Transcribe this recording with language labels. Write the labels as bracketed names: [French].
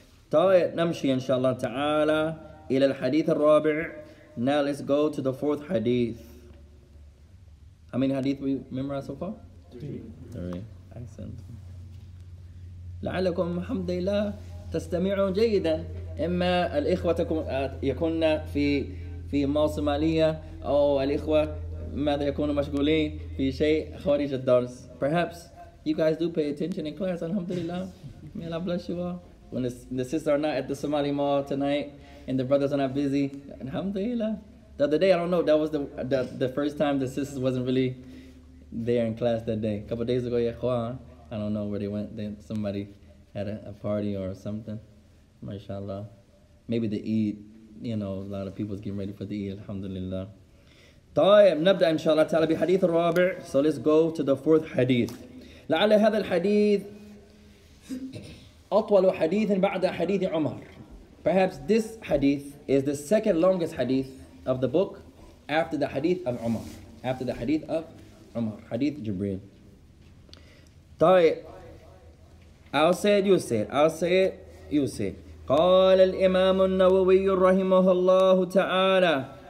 [Arabic] طيب نمشي إن شاء الله تعالى إلى الحديث الرابع. [English] Now let's go to the fourth hadith. How many hadith we memorized so far? Three. [Arabic] أحسنت. لعلكم الحمد لله تستمعون جيدا. إما الإخوة يكون في في موسم عليا أو الإخوة ماذا يكونوا مشغولين في شيء خارج الدرس. [English] Perhaps you guys do pay attention in class. Alhamdulillah. May Allah bless you all. When the sisters are not at the Somali Mall tonight and the brothers are not busy, Alhamdulillah. The other day, I don't know, that was the first time the sisters wasn't really there in class that day. A couple days ago, I don't know where they went. Then somebody had a party or something. MashaAllah. Maybe the Eid, you know, a lot of people is getting ready for the Eid. Alhamdulillah. [Arabic] طيب نبدأ إن شاء الله تعالى بحديث الرابع. [English] So let's go to the fourth hadith. [Arabic] لعل هذا الحديث أطول حديث بعد حديث عمر. [English] Perhaps this hadith is the second longest hadith of the book after the hadith of Umar. After the hadith of Umar, hadith Jibreel. طيب I'll say it, you say it. [Arabic] قال الإمام النووي رحمه الله تعالى.